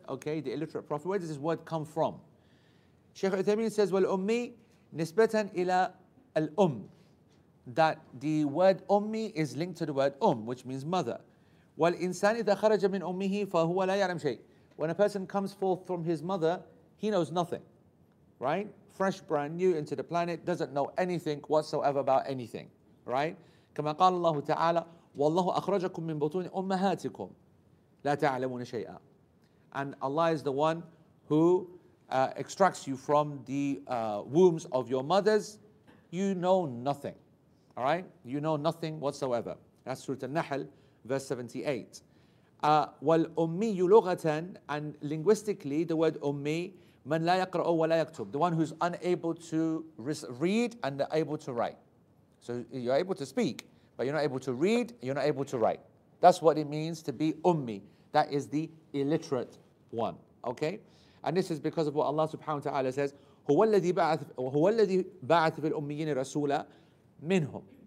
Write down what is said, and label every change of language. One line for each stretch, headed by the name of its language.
English: Okay, the illiterate prophet. Where does this word come from? Sheikh Uthaymeen says, "Well,
Arabic: ummi nisbatan ila al-umm,"
English: that the word ummi is linked to the word which means mother.
Arabic: "Wal insan idha kharaja min ummihi fa huwa la ya'lam shay."
English: When a person comes forth from his mother, he knows nothing, right? Fresh, brand new into the planet, doesn't know anything whatsoever about anything, right?
Arabic: كما قال الله تعالى والله أخرجكم من بطون أمهاتكم لا تعلمون شيئا.
English: And Allah is the one who extracts you from the wombs of your mothers. You know nothing, all right? You know nothing whatsoever. That's Surah Al-Nahl, verse 78.
Arabic: والأمي لغة,
English: and linguistically, the word أمي,
Arabic: من لا يقرأ ولا يكتب,
English: the one who's unable to read and able to write. So you're able to speak, but you're not able to read, you're not able to write. That's what it means to be ummi. That is the illiterate one, okay? And this is because of what Allah subhanahu wa ta'ala says,
Arabic: هو الذي بعث في الأميين رسولا منهم.